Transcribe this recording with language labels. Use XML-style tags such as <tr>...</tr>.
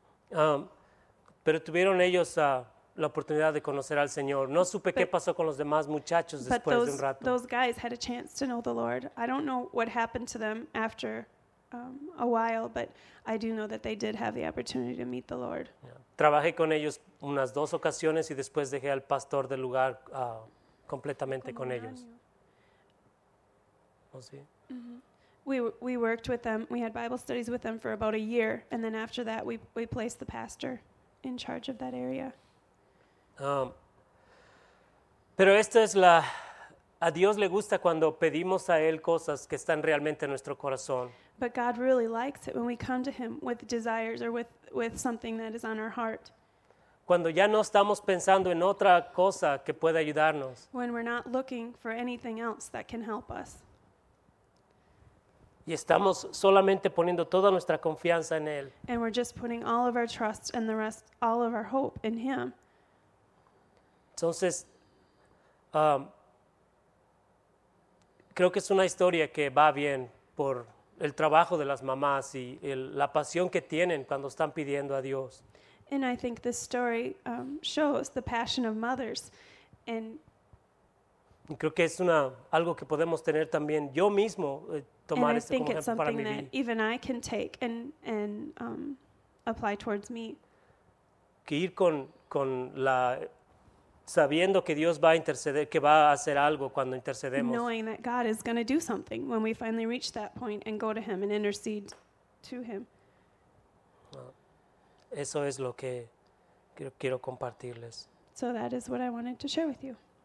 <es>Pero tuvieron ellos la oportunidad de conocer al Señor. No supe qué pasó con los demás muchachos después de un rato.</es> <en>But those guys had a chance to know the Lord. I don't know what happened to them after a while, but I do know that they did have the opportunity to meet the Lord.</en> <es>Trabajé con ellos unas dos ocasiones y después dejé al pastor del lugar completamente con ellos. ¿O sí?</es> <en>We worked with them. We had Bible studies with them for about a year, and then after that, we placed the pastor in charge of that area.</en> <es>Pero esta es la... A Dios le gusta cuando pedimos a Él cosas que están realmente en nuestro corazón.</es> <en>But God really likes it when we come to Him with desires or with something that is on our heart.</en> <es>Cuando ya no estamos pensando en otra cosa que pueda ayudarnos.</es> <en>When we're not looking for anything else that can help us.</en> <es>Y estamos solamente poniendo toda nuestra confianza en Él.</es> <en>And we're just putting all of our trust and the rest, all of our hope in Him.</en> <es>Entonces, creo que es una historia que va bien por el trabajo de las mamás y la pasión que tienen cuando están pidiendo a Dios.</es> <en>And I think this story shows the passion of mothers. And</en> <es>y creo que es algo que podemos tener también yo mismo tomar esto como ejemplo para mi vida.</es> <en>And I think it's something that even I can take and apply towards me.</en> <es>Que ir con la... Sabiendo que Dios va a interceder, que va a hacer algo cuando intercedemos.</es> <en>Knowing that God is going to do something when we finally reach that point and go to Him and intercede to Him.</en> <es>Eso es lo que quiero compartirles.</es> <en>So that is what I wanted to share with you.</en>